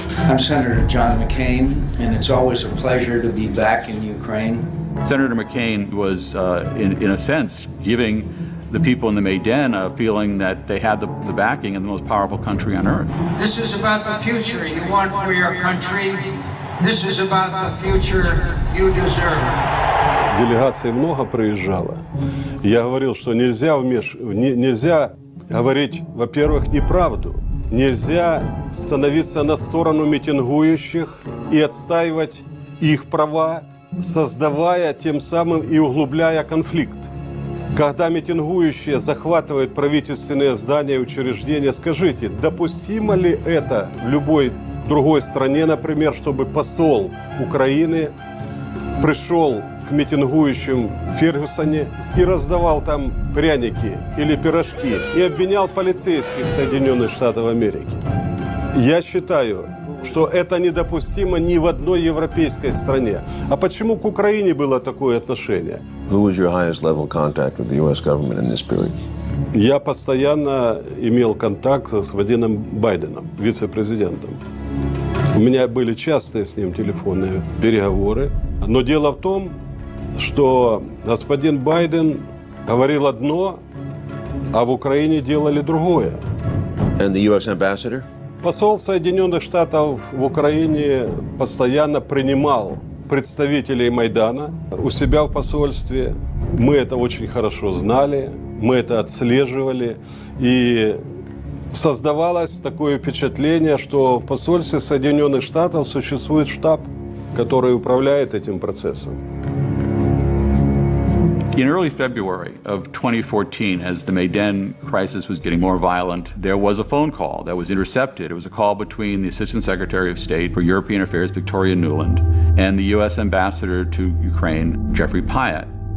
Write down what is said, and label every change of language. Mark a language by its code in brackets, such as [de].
[en] I'm Senator John McCain, and it's always a pleasure to be back in Ukraine. Senator McCain was, in a sense, giving the people in the Maidan a feeling that they had the backing of the most powerful country on earth. This is about the future you want for your country. This is about the future you deserve. [ru] Делегаций много приезжало. Я говорил, что нельзя говорить, во-первых, неправду. Нельзя становиться на сторону митингующих и отстаивать их права, создавая тем самым и углубляя конфликт. Когда митингующие захватывают правительственные здания и учреждения, скажите, допустимо ли это в любой другой стране, например, чтобы посол Украины пришел к митингующим в Фергюсоне и раздавал там пряники или пирожки и обвинял полицейских Соединенных Штатов Америки. Я считаю, что это недопустимо ни в одной европейской стране. А почему к Украине было такое отношение? [en] Who was your highest level contact with the US government in this period? [ru] Я постоянно имел контакт с господином Байденом, вице-президентом. У меня были частые с ним телефонные переговоры. Но дело в том, что господин Байден говорил одно, а в Украине делали другое. [en] And the US ambassador? [ru] Посол Соединенных Штатов в Украине постоянно принимал представителей Майдана у себя в посольстве. Мы это очень хорошо знали, мы это отслеживали. И создавалось такое впечатление, что в посольстве Соединенных Штатов существует штаб, который управляет этим процессом. [en] In early February of 2014, as the Maidan crisis was getting more violent, there was a phone call that was intercepted. It was a call between the Assistant Secretary of State for European Affairs, Victoria Nuland, and the U.S. Ambassador to Ukraine, Jeffrey Pyatt.